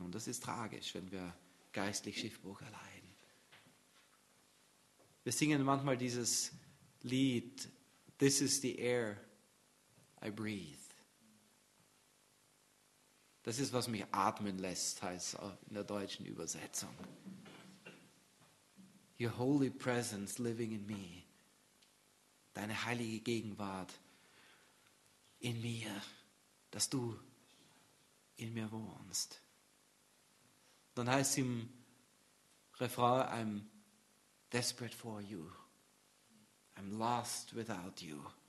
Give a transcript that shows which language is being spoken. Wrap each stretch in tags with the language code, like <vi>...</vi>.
<de>Und das ist tragisch, wenn wir geistlich Schiffbruch erleiden. Wir singen manchmal dieses Lied,</de> <en>This is the air I breathe.</en> <de>Das ist, was mich atmen lässt, heißt es in der deutschen Übersetzung.</de> <en>Your holy presence living in me.</en> <de>Deine heilige Gegenwart in mir, dass du in mir wohnst. Dann heißt es im Refrain,</de> <en>I'm desperate for you. I'm lost without you.</en>